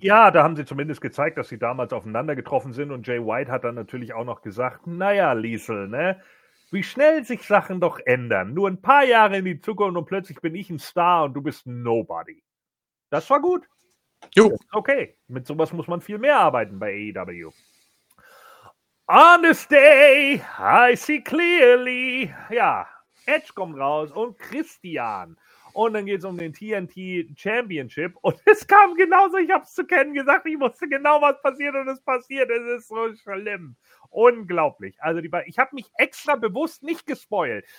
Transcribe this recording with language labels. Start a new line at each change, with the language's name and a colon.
German: Ja, da haben sie zumindest gezeigt, dass sie damals aufeinander getroffen sind und Jay White hat dann natürlich auch noch gesagt, naja, Lethal, ne, wie schnell sich Sachen doch ändern. Nur ein paar Jahre in die Zukunft und plötzlich bin ich ein Star und du bist Nobody. Das war gut. Jo. Okay, mit sowas muss man viel mehr arbeiten bei AEW.
English: On this day, I see clearly.
German: Ja, Edge kommt raus und Christian. Und dann geht es um den TNT Championship. Und es kam genauso, ich habe es zu Ken gesagt, ich wusste genau, was passiert und es passiert. Es ist so schlimm. Unglaublich. Also ich habe mich extra bewusst nicht gespoilt.